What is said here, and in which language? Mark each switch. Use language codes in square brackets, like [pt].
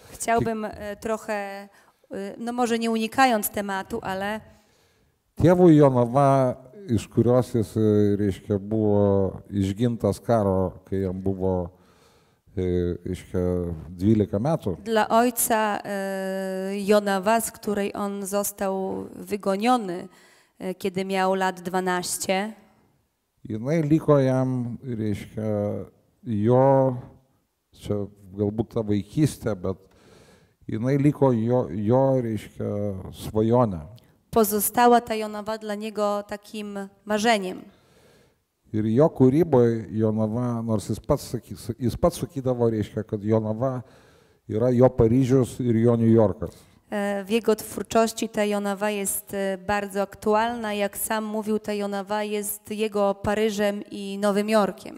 [pl] Chciałbym trochę, no może nie unikając tematu, ale [lt] tėvui Jonava, iš kurios jis, reiškia, buvo išgintas karo, kai jam buvo, reiškia, 12 metų. [pl] Dla ojca Jonava, z której on został wygoniony, kiedy miał lat 12, [lt] jinai liko jam, reiškia, jo, čia galbūt ta vaikystė, bet jinai liko jo, reiškia, svajonė. [pl] Pozostała ta Jonava dla niego takim marzeniem. [lt] Ir jo kūryboj Jonava, nors jis pats sakydavo, reiškia, kad Jonava yra jo Paryžius ir jo New Yorkas. [pl] W jego twórczości ta Jonava jest bardzo aktualna. Jak sam mówił, ta Jonava jest jego Paryżem i Nowym Jorkiem.